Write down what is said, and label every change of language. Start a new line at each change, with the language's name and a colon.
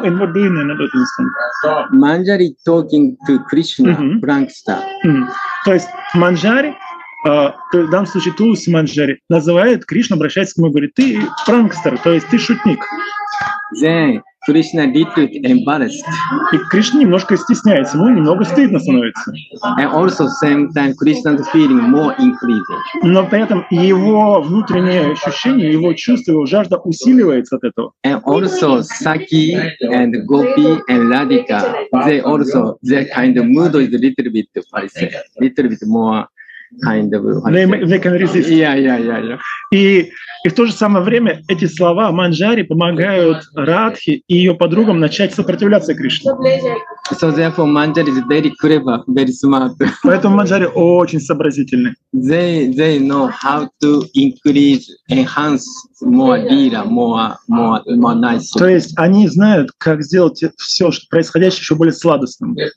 English: And what do you mean? I don't understand. Manjari talking to Krishna, prankster.
Russian: То есть Манджари, в данном случае Тулси Манджари, называет Кришну, обращается к нему и говорит, ты пранкстер, то есть ты шутник.
English: Then Krishna little embarrassed.
Russian: И Кришна немножко стесняется, ему немного стыдно становится.
English: And also same time Krishna's feeling more increased.
Russian: Но при этом его внутреннее ощущение, его чувство, его жажда усиливается от этого.
English: And also Saki and Gopi and Radhika, they also their kind of mood is little bit more kind of. They can resist. Yeah.
Russian: И в то же самое время эти слова Манджари помогают Радхе и ее подругам начать сопротивляться Кришне.
English: So therefore, Manjari is very clever, very smart.
Russian: Поэтому Манджари очень сообразительный.
English: They know how to increase, enhance more lila, more nice.
Russian: То есть они знают, как сделать все, что происходящее, еще более сладостным.